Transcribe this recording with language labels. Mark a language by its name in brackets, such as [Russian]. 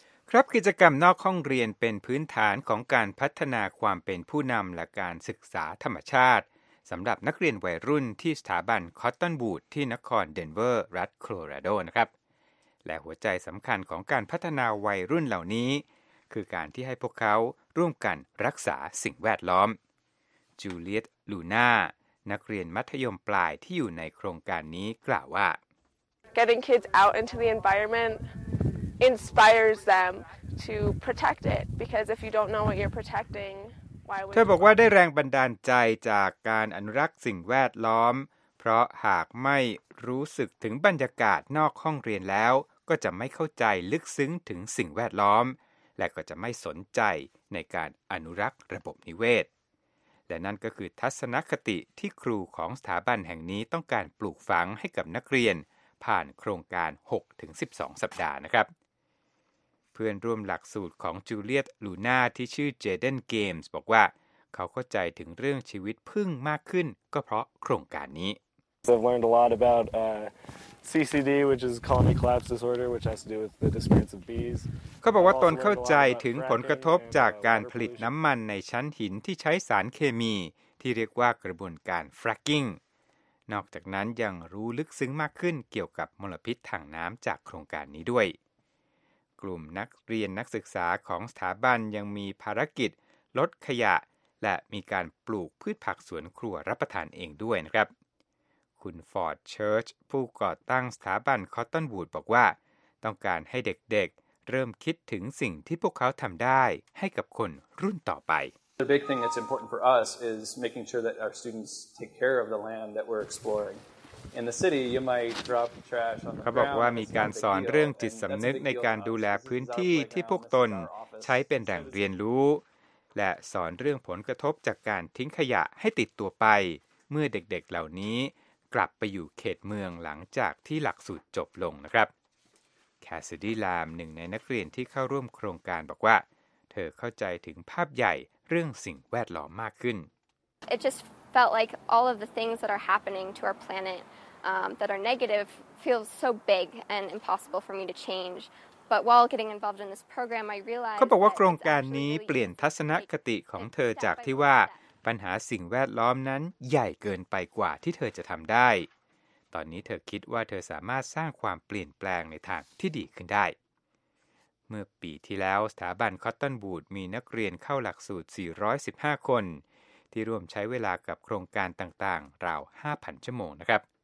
[Thai] ครับกิจกรรมนอกห้องเรียนเป็นพื้นฐานของการพัฒนาความเป็นผู้นำและการศึกษาธรรมชาติสำหรับนักเรียนวัยรุ่นที่สถาบันคอตตอนบูทที่นครเดนเวอร์รัฐโคโลราโดนะครับและหัวใจสำคัญของการพัฒนาวัยรุ่นเหล่านี้คือการที่ให้พวกเขาร่วมกันรักษาสิ่งแวดล้อมจูเลียตลูน่านักเรียนมัธยมปลายที่อยู่ในโครงการนี้กล่าวว่า [English] Getting kids out into the environment inspires them to protect it because if you don't know what you're protecting [Thai] เธอบอกว่าได้แรงบันดาลใจจากการอนุรักษ์สิ่งแวดล้อมเพราะหากไม่รู้สึกถึงบรรยากาศนอกห้องเรียนแล้วก็จะไม่เข้าใจลึกซึ้งถึงสิ่งแวดล้อมและก็จะไม่สนใจในการอนุรักษ์ระบบนิเวศและนั่นก็คือทัศนคติที่ครูของสถาบันแห่งนี้ต้องการปลูกฝังให้กับนักเรียนผ่านโครงการ 6-12 สัปดาห์นะครับ เพื่อนร่วมหลักสูตรของจูเลียตลูน่าที่ชื่อเจเดนเกมส์บอกว่าเขาเข้าใจถึงเรื่องชีวิตพึ่งมากขึ้นก็เพราะโครงการนี้ [English] I've learned a lot about CCD which is colony collapse disorder which has to do with the disappearance of bees [Thai] เขาบอกว่าตนเข้าใจถึงผลกระทบจากการผลิตน้ำมันในชั้นหินที่ใช้สารเคมีที่เรียกว่ากระบวนการ fracking นอกจากนั้นยังรู้ลึกซึ้งมากขึ้นเกี่ยวกับมลพิษทางน้ำจากโครงการนี้ด้วย กลุ่มนักเรียนนักศึกษาของสถาบันยังมีภารกิจลดขยะและมีการปลูกพืชผักสวนครัวรับประทานเองด้วยนะครับคุณฟอร์ดเชิร์ชผู้ก่อตั้งสถาบันคอตตอนวูดบอกว่าต้องการให้เด็กๆเริ่มคิดถึงสิ่งที่พวกเขาทำได้ให้กับคนรุ่นต่อไป [English] The big thing that's important for us is making sure that our students take care of the land that we're exploringIn the city, you might drop trash on the ground. [Thai] เขาบอกว่ามีการสอนเรื่องจิตสำนึกในการดูแลพื้นที่ที่พวกตนใช้เป็นแหล่งเรียนรู้และสอนเรื่องผลกระทบจากการทิ้งขยะให้ติดตัวไปเมื่อเด็กๆ เหล่านี้กลับไปอยู่เขตเมืองหลังจากที่หลักสูตรจบลงนะครับแคสซิดี้ลามหนึ่งในนักเรียนที่เข้าร่วมโครงการบอกว่าเธอเข้าใจถึงภาพใหญ่เรื่องสิ่งแวดล้อมมากขึ้น [English] Felt like all of the things that are happening to our planet that are negative feels so big and impossible for me to change. But while getting involved in this program, I realized. [Thai] เขาบอกว่าโครงการนี้เปลี่ยนทัศนคติของเธอจากที่ว่าปัญหาสิ่งแวดล้อมนั้นใหญ่เกินไปกว่าที่เธอจะทำได้ตอนนี้เธอคิดว่าเธอสามารถสร้างความเปลี่ยนแปลงในทางที่ดีขึ้นได้เมื่อปีที่แล้วสถาบันคอตตอนวูดมีนักเรียนเข้าหลักสูตร415คนที่ร่วมใช้เวลากับโครงการต่างๆราว 5,000 ชั่วโมงนะครับ